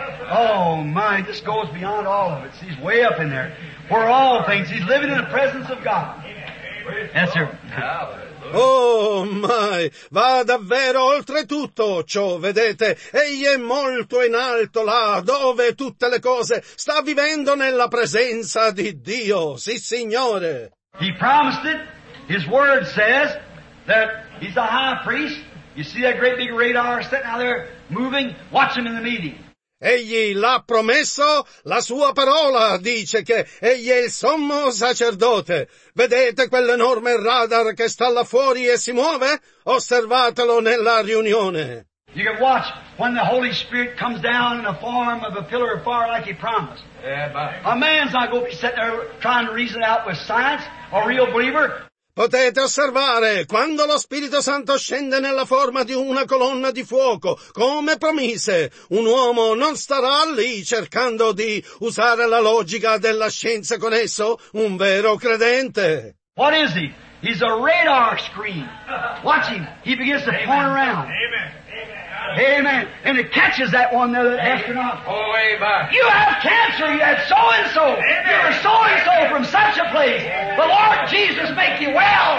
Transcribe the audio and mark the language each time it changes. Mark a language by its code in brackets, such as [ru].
[en] Oh my, this goes beyond all of it, he's way up in there. For all things, he's living in the presence of God. Yes, sir. [it] Oh, my, va davvero oltre tutto ciò, vedete, egli è molto in alto là, dove tutte le cose, sta vivendo nella presenza di Dio, sì, Signore. [en] He promised it, his word says that he's a high priest. You see that great big radar sitting out there moving? Watch him in the meeting. [it] Egli l'ha promesso, la sua parola dice che egli è il sommo sacerdote. Vedete quell'enorme radar che sta là fuori e si muove? Osservatelo nella riunione. [en] You can watch when the Holy Spirit comes down in the form of a pillar of fire like he promised. Yeah, a man's not going to be sitting there trying to reason out with science, a real believer. [it] Potete osservare, quando lo Spirito Santo scende nella forma di una colonna di fuoco, come promise, un uomo non starà lì cercando di usare la logica della scienza con esso, un vero credente. [en] What is he? He's a radar screen. Watch him. He begins to point around. Amen. Amen. Amen. And it catches that one, the astronaut. Oh, amen. You have cancer. You have so-and-so. Amen. You're so-and-so from such a place. Amen. The Lord Jesus make you well.